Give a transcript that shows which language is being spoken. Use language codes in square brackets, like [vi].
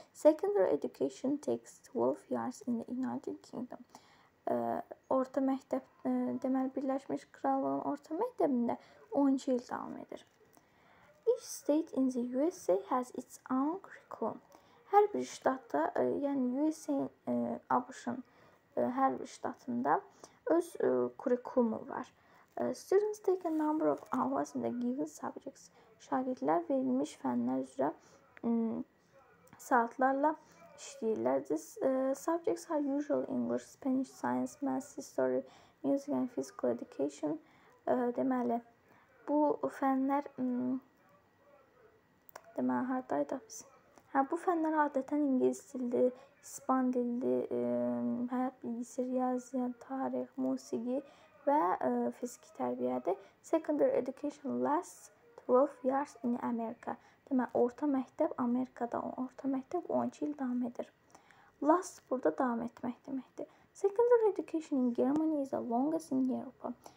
[en] Secondary education takes 12 years in the United Kingdom. [az] Orta məktəb, deməli, Birləşmiş Krallığın orta məktəbində 12 il davam edir. [en] Each state in the USA has its own curriculum. [az] Hər bir ştatda, yəni USA-nın, ABŞ-ın hər bir ştatında öz kurikulumu var. [en] Students take a number of hours in the given subjects. [az] Şagirdlər verilmiş fənlər üzrə saatlarla işləyirlər. [en] Subjects are usually English, Spanish, Science, Math, History, Music and Physical Education. [az] Deməli, bu fənlər... Deməli, haradaydı biz? Hə, bu fənlər adətən ingilis dildi, ispan dildi, həyat bilgisi, riyaziyyat, tarix, musiqi və fiziki tərbiyədir. [en] Secondary education lasts 12 years in America. [az] Deməli, orta məktəb Amerikada, orta məktəb 12 il davam edir. Last burada davam etmək deməkdir. [en] Secondary education in Germany is the longest in Europe.